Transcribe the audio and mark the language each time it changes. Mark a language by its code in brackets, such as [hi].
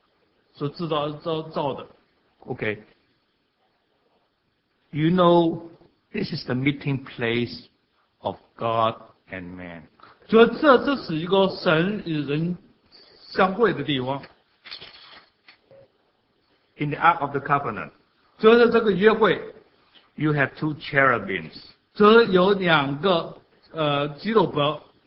[zh] 就是说这个约柜是在埃及地所制造的。 [en] Okay. You know, this is the meeting place of God and man. [zh] 就这是一个神与人相会的地方。 [en] In the Ark of the Covenant, [zh] 就是这个约会, [en] you have two cherubims. [zh] 就是有两个基路伯。